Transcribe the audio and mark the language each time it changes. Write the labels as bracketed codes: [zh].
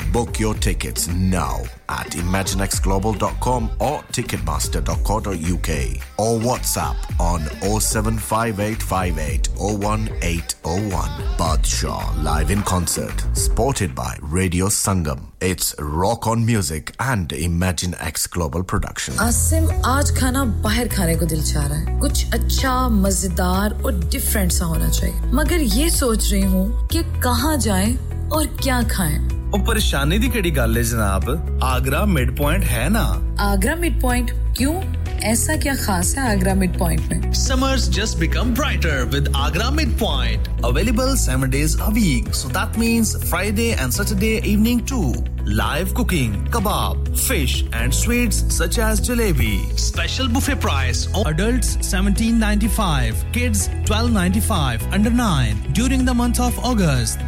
[en] Book your tickets now at imaginexglobal.com or ticketmaster.co.uk or WhatsApp on 07585801801. Badshah live in concert, supported by Radio Sangam. It's Rock On Music and Imagine X Global Production. [hi] Asim, आज खाना बाहर खाने को दिल चाह रहा है। कुछ अच्छा, मजेदार और different सा होना चाहिए। मगर ये सोच रही हूँ कि कहाँ जाएं और क्या खाएं। [pa] ओ परेशानी दी केड़ी गल है जनाब? आगरा midpoint है ना? [hi] आगरा midpoint क्यों? ऐसा क्या खास है आगरा midpoint में? [en] Summers just become brighter with Agra midpoint. Available 7 days a week, so that means Friday and Saturday evening too. Live cooking, kebab, fish and sweets such as jalebi. Special buffet price. Adults 17.95, kids 12.95, under 9, during the month of August.